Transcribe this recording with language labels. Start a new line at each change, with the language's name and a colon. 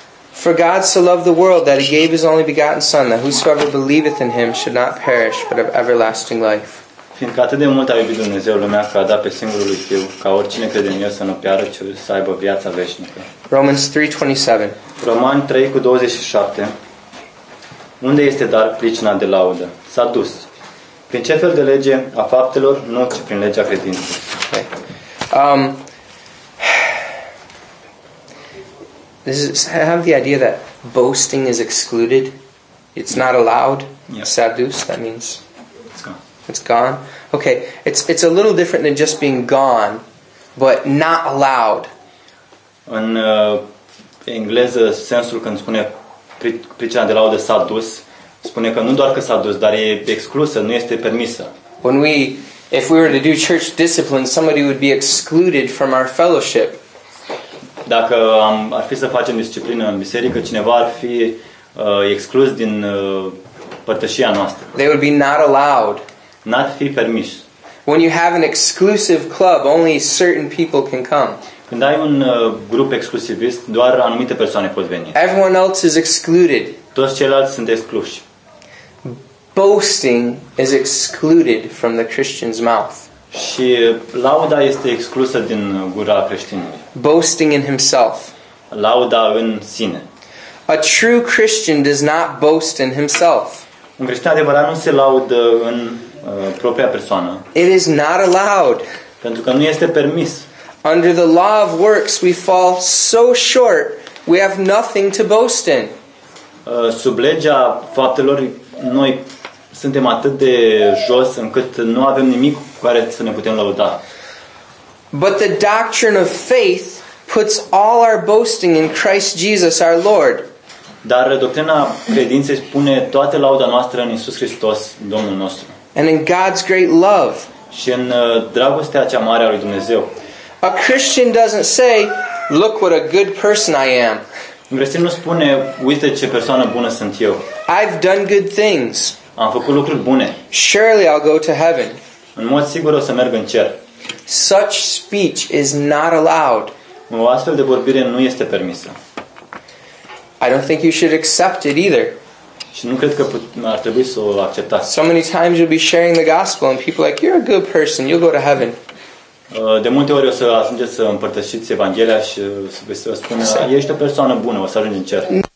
English: For God so loved the world that he gave his only begotten son that whosoever believeth in him should not perish but have everlasting life.
Romanian: Fiindcă atât de mult a iubit Dumnezeu lumea că a dat pe singurul lui Fiu ca oricine crede în el să nu piară ci să aibă viața veșnică.
English: Romans 3:27.
Romanian: Romani 3:27. Unde este dar pricina de laudă? S-a dus. Prin ce fel de lege a faptelor, nu ci prin legea credinței.
English: Okay. This is, I have the idea that boasting is excluded. It's not allowed. Yeah. Sadus, that means it's gone. It's gone. Okay. It's a little different than just being gone, but not allowed.
Romanian: În engleză, sensul când spune pricina de laudă s-a dus, spune că nu doar că s-a dus, dar e exclusă, nu este permisă.
English: When we, if we were to do church discipline, somebody would be excluded from our fellowship.
Romanian: Dacă ar fi să facem disciplină în biserică, cineva ar fi exclus din părtășia noastră.
English: They would be not allowed.
Romanian: N-ar fi permis.
English: When you have an exclusive club, only certain people can come.
Romanian: Când ai un grup exclusivist, doar anumite persoane pot veni.
English: Everyone else is excluded.
Romanian: Toți ceilalți sunt excluși.
English: Boasting is excluded from the Christian's mouth.
Romanian: Și lauda este exclusă din gura creștinului.
English: Boasting in himself.
Romanian: Lauda în sine.
English: A true Christian does not boast in himself.
Romanian: Un creștin adevărat nu se laudă în propria persoană.
English: It is not allowed.
Romanian: Pentru că nu este permis.
English: Under the law of works we fall so short, we have nothing to boast in.
Romanian: Sub legea faptelor noi suntem atât de jos încât nu avem nimic cu care să ne putem lăuda.
English: But the doctrine of faith puts all our boasting in Christ Jesus our Lord.
Romanian: Dar doctrina credinței pune toată lauda noastră în Iisus Hristos, Domnul nostru.
English: And in God's great love.
Romanian: Și în dragostea cea mare a lui Dumnezeu.
English: A Christian doesn't say, "Look what a good person I am."
Romanian: Un creștin nu spune, uite ce persoană bună sunt eu.
English: I've done good things.
Romanian: Am făcut lucruri bune.
English: Surely I'll go to heaven.
Romanian: În mod sigur o să merg în cer.
English: Such speech is not allowed.
Romanian: O astfel de vorbire nu este permisă.
English: I don't think you should accept it either.
Romanian: Și nu cred că ar trebui să o acceptați.
English: So many times you'll be sharing the gospel and people are like, you're a good person, you'll go to heaven.
Romanian: De multe ori o să ajungeți să împărtășiți Evanghelia și să vă spună, ești o persoană bună, o să ajungi în cer.